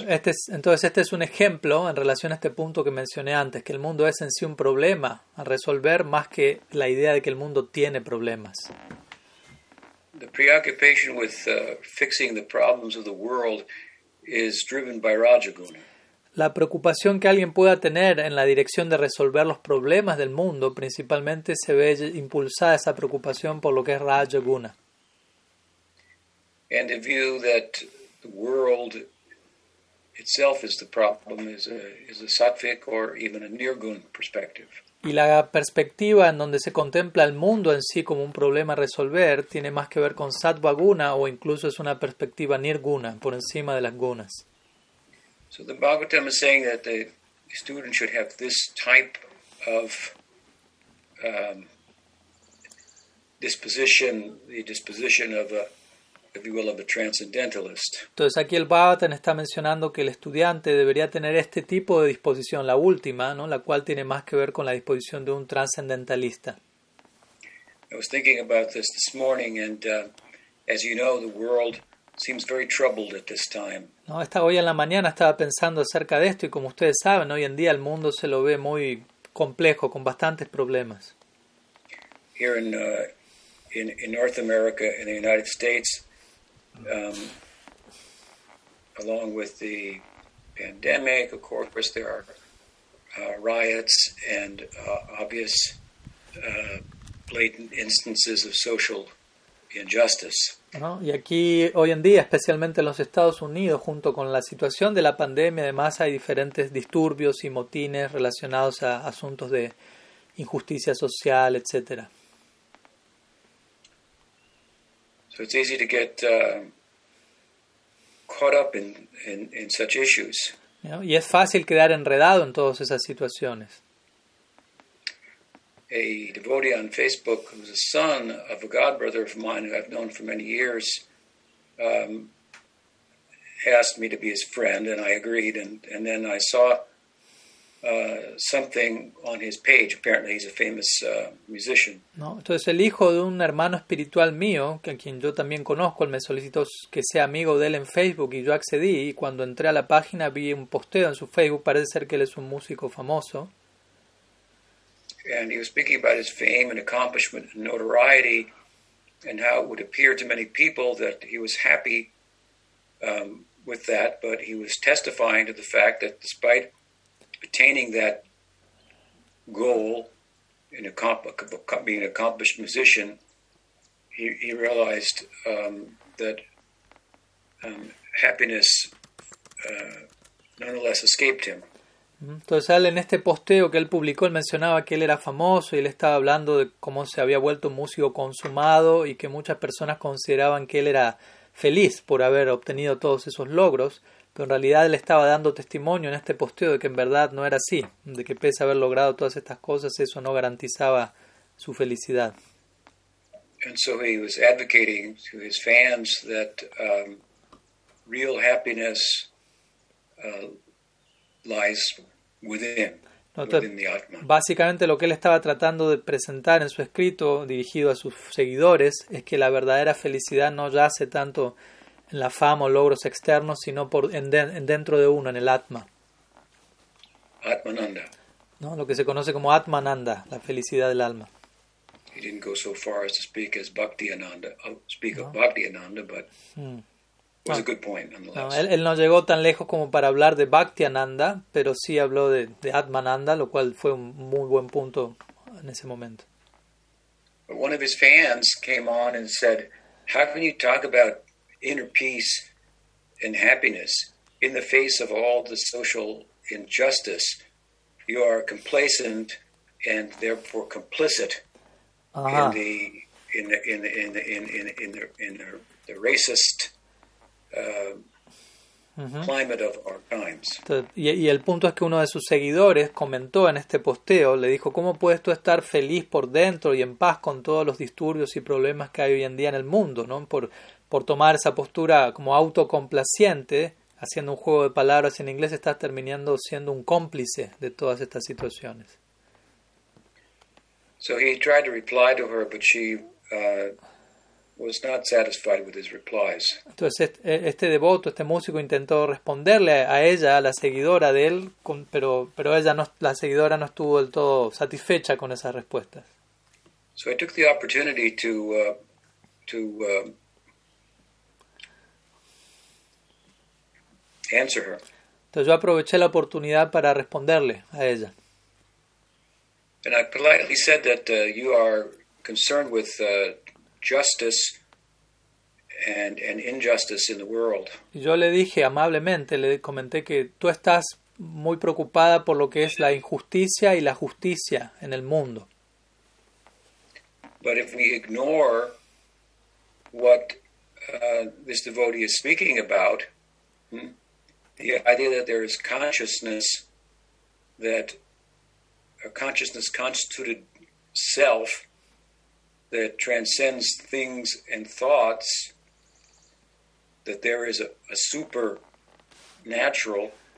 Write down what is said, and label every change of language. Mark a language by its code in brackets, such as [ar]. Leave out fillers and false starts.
[es] Este es un ejemplo en relación a este punto que mencioné antes, que el mundo es en sí un problema a resolver más que la idea de que el mundo tiene problemas. [en] The preoccupation with fixing the problems of the world is driven by rajaguna. [es] La preocupación que alguien pueda tener en la dirección de resolver los problemas del mundo, principalmente se ve impulsada esa preocupación por lo que es rajaguna. [en] And the view that the world itself is the problem is a sattvic or even a nirgun perspective. [es] Y la perspectiva en donde se contempla el mundo en sí como un problema a resolver tiene más que ver con sattva guna o incluso es una perspectiva nirguna, por encima de las gunas. [en] So the Bhagavatam is saying that the student should have this type of disposition, the disposition of a, if you will, of a transcendentalist. [es] Entonces aquí el Bhagavatam está mencionando que el estudiante debería tener este tipo de disposición, la última, ¿no? La cual tiene más que ver con la disposición de un transcendentalista. [en] I was thinking about this morning, and as you know, the world seems very troubled at this time. [es] No, hoy en la mañana estaba pensando acerca de esto y como ustedes saben, hoy en día el mundo se lo ve muy complejo, con bastantes problemas. [en] Here in North America, in the United States, along with the pandemic, of course, there are riots and obvious blatant instances of social injustice. [es] ¿No? Y aquí hoy en día, especialmente en los Estados Unidos, junto con la situación de la pandemia, además hay diferentes disturbios y motines relacionados a asuntos de injusticia social, etc. [en] So it's easy to get caught up in such issues. [es] ¿No? Y es fácil quedar enredado en todas esas situaciones. [en] A devotee on Facebook, who's a son of a god brother of mine who I've known for many years, asked me to be his friend, and I agreed. And then I saw something on his page. Apparently, he's a famous musician. [es] No, entonces el hijo de un hermano espiritual mío, que a quien yo también conozco, él me solicitó que sea amigo de él en Facebook, y yo accedí. Y cuando entré a la página, vi un posteo en su Facebook. Parece ser que él es un músico famoso. [en] And he was speaking about his fame and accomplishment and notoriety and how it would appear to many people that he was happy with that, but he was testifying to the fact that despite attaining that goal in being an accomplished musician, he realized that happiness nonetheless escaped him. [es] Entonces él, en este posteo que él publicó, él mencionaba que él era famoso y él estaba hablando de cómo se había vuelto un músico consumado y que muchas personas consideraban que él era feliz por haber obtenido todos esos logros, pero en realidad él estaba dando testimonio en este posteo de que en verdad no era así, de que pese a haber logrado todas estas cosas, eso no garantizaba su felicidad. [en] And so he was advocating to his fans that real happiness lies within the Atman. [es] Básicamente lo que él estaba tratando de presentar en su escrito dirigido a sus seguidores es que la verdadera felicidad no yace tanto en la fama o logros externos, sino dentro de uno, en el Atma. Atmananda. ¿No? Lo que se conoce como Atmananda, la felicidad del alma. [en] He didn't go so far as to speak as Bhakti Ananda, of Bhakti Ananda, but was a good point nonetheless. [es] No, él no llegó tan lejos como para hablar de Bhakti Ananda, pero sí habló de Atmananda, lo cual fue un muy buen punto en ese momento. [en] But one of his fans came on and said, "How can you talk about inner peace and happiness in the face of all the social injustice? You are complacent and therefore complicit." Uh-huh. In the racist climate of our times. [es] Y el punto es que uno de sus seguidores comentó en este posteo, le dijo, ¿cómo puedes tú estar feliz por dentro y en paz con todos los disturbios y problemas que hay hoy en día en el mundo, ¿no? Por tomar esa postura como autocomplaciente, haciendo un juego de palabras en inglés, estás terminando siendo un cómplice de todas estas situaciones. [en] So he tried to reply to her, but she was not satisfied with his replies. [es] Entonces este devoto, este músico, intentó responderle a ella, a la seguidora de él, pero ella no, la seguidora no estuvo del todo satisfecha con esas respuestas. [en] So I took the opportunity to answer her. [es] Entonces yo aproveché la oportunidad para responderle a ella. [en] And I politely said that you are concerned with justice and injustice in the world. [es] Yo le dije amablemente, le comenté que tú estás muy preocupada por lo que es la injusticia y la justicia en el mundo. [en] But if we ignore what this devotee is speaking about, the idea that there is consciousness that a consciousness constituted self that transcends things and thoughts, that there is a supernatural.